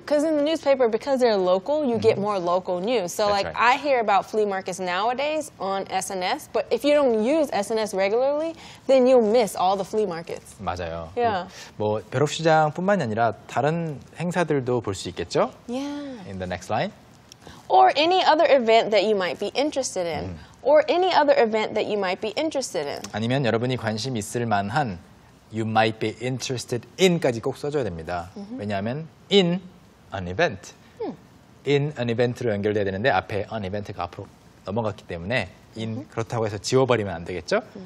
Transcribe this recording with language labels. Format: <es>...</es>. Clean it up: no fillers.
<en>Because in the newspaper, because they're local, you get more local news. So That's like right. I hear about flea markets nowadays on SNS, but if you don't use SNS regularly, then you'll miss all the flea markets.</en> <ko>맞아요.</ko> <en>Yeah.</en> <ko>뭐 벼룩시장뿐만 아니라 다른 행사들도 볼 수 있겠죠?</ko> <en>Yeah. In the next line. Or any other event that you might be interested in. Or any other event that you might be interested in.</en> <ko>아니면 여러분이 관심 있을 만한</ko> <en>you might be interested in</en> <ko>까지 꼭 써줘야 됩니다. 왜냐하면 in an event.</ko> <en>in an event</en> <ko>로 연결돼야 되는데 앞에 an event가 앞으로 넘어갔기 때문에 in 그렇다고 해서 지워버리면 안 되겠죠?</ko>